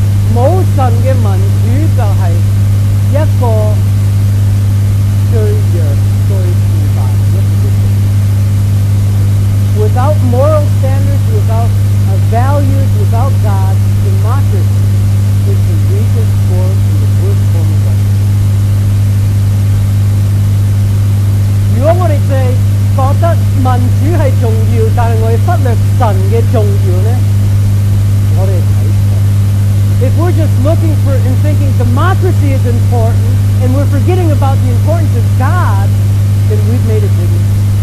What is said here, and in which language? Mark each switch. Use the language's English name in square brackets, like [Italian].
[Chinese] 没神的民主就是一个最弱最腐败的。 [English] Without moral standards, without values, without God, democracy is the weakest form and the worst form of government. [Chinese] 如果我们是觉得民主是重要，但是我们忽略神的重要呢？我们看错。 [English] If we're just looking for and thinking democracy is important, and we're forgetting about the importance of God, then we've made a big mistake.